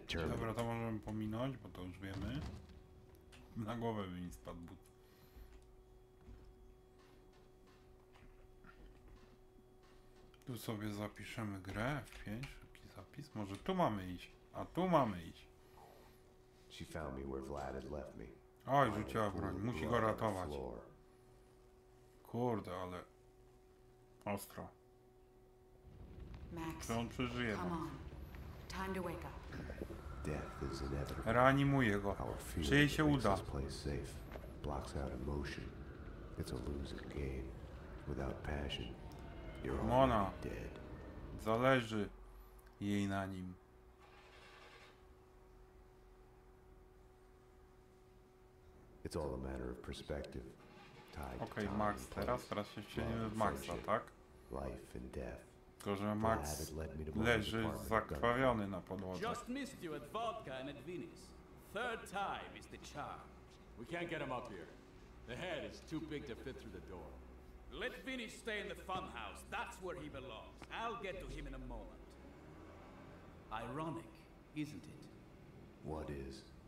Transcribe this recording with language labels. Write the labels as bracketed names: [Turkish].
[Polish] Dobra, to możemy pominąć, bo to już wiemy. Na głowę by mi spadł but. Tu sobie zapiszemy grę w 5, szybki zapis. Może tu mamy iść, a tu mamy iść. [English] She found me where Vlad had left me. [Polish] Oj, rzuciła broń, musi go ratować. Kurde, ale... Ostro. Max, czy on przeżyje? [English] Come on. Time to wake up. Death is inevitable. [Polish] Reanimuje go. Czy jej się uda? [English] Blocks out emotion. It's a losing game. Without passion, you're Mona. Dead. [Polish] Zależy jej na nim. [English] It's all a matter of perspective. Okay, Max. [Polish] Teraz się wcielimy w Maxa, tak? [English] Life and death. [Polish] Tylko, że Max leży zakrwawiony na podłodze. [English] Just missed you at Vodka and at Venice. Third time is the charm. We can't get him up here. The head is too big to fit through the door. Let Venice stay in the funhouse. That's where he belongs. I'll get to him in a moment. Ironic, isn't it? What is?